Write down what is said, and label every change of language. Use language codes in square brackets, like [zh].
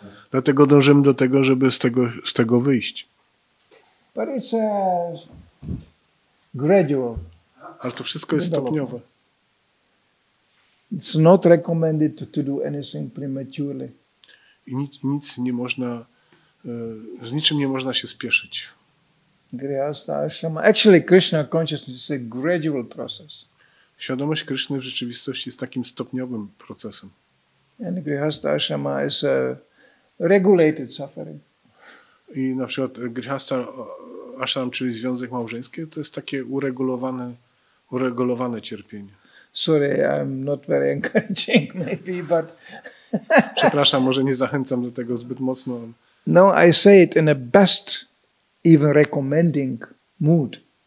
[pl] Dlatego dążymy do tego, żeby z tego wyjść. [en] But it's a gradual. [pl] Ale to wszystko jest stopniowe. [en] It's not recommended to do anything prematurely. [pl] I nic nie można, z niczym nie można się spieszyć. [en] Grihastha ashrama. Actually, Krishna consciousness is a gradual process. [pl] Świadomość Kryszny w rzeczywistości jest takim stopniowym procesem. [en] And grihastha ashrama is a regulated suffering. [pl] I na przykład grihastha ashram, czyli związek małżeński, to jest takie uregulowane cierpienie. [en] Sorry, I'm not very encouraging maybe, but... [pl] Przepraszam, może nie zachęcam do tego zbyt mocno. [en] No, I say it in a best, even recommending mood.